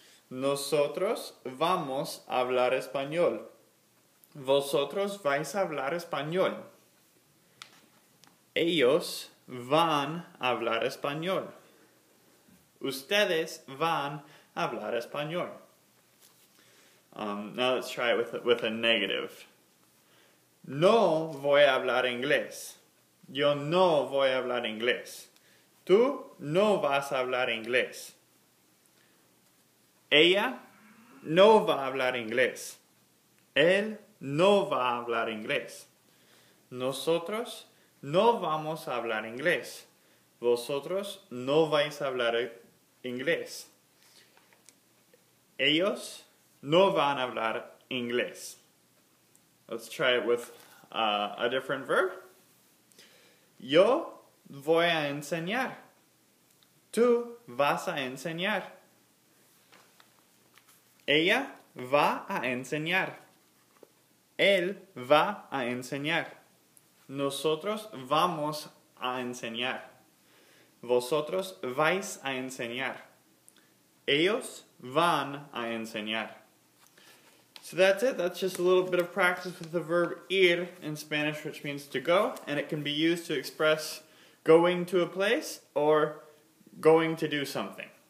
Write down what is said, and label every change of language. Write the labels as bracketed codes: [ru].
[es] Nosotros vamos a hablar español. Vosotros vais a hablar español. Ellos van a hablar español. Ustedes van a hablar español. [en] Now let's try it with a negative. [es] No voy a hablar inglés. Yo no voy a hablar inglés. Tú no vas a hablar inglés. Ella no va a hablar inglés. Él no va a hablar inglés. Nosotros no vamos a hablar inglés. Vosotros no vais a hablar inglés. Ellos no van a hablar inglés. [en] Let's try it with a different verb. [es] Yo voy a enseñar. Tú vas a enseñar. Ella va a enseñar. Él va a enseñar. Nosotros vamos a enseñar. Vosotros vais a enseñar. Ellos van a enseñar. [en] So that's it. That's just a little bit of practice with the verb ir in Spanish, which means to go. And it can be used to express going to a place or going to do something.